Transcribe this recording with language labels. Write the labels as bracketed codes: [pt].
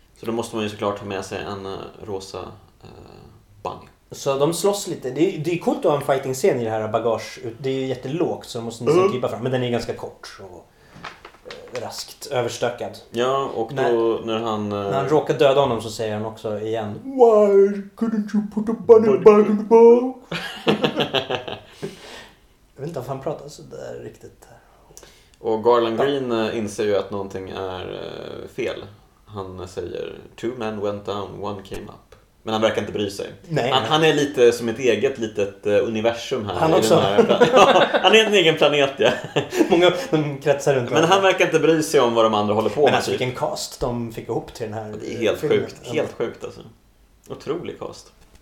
[sv] Så då måste man ju såklart ta med sig en rosa bunny. Så de slåss lite. Det är coolt att ha en fighting-scen i det här bagage. Det är ju jättelågt så de måste nästan krypa fram. Men den är ganska kort och raskt överstökad. Ja, och då när han råkar döda honom så säger han också igen [en] Why couldn't you put a bunny back in the box? [sv] Jag vet inte om han pratar så där riktigt. Och Garland Green inser ju att någonting är fel. Han säger [en] Two men went down, one came up. [sv] Men han verkar inte bry sig. Nej. Han är lite som ett eget litet universum här. Han också. Han är en egen planet, ja. Många kretsar runt. Men han verkar inte bry sig om vad de andra håller på men med. Men vilken cast de fick ihop till den här filmen. Det är helt sjukt. Helt sjukt alltså. Otrolig cast.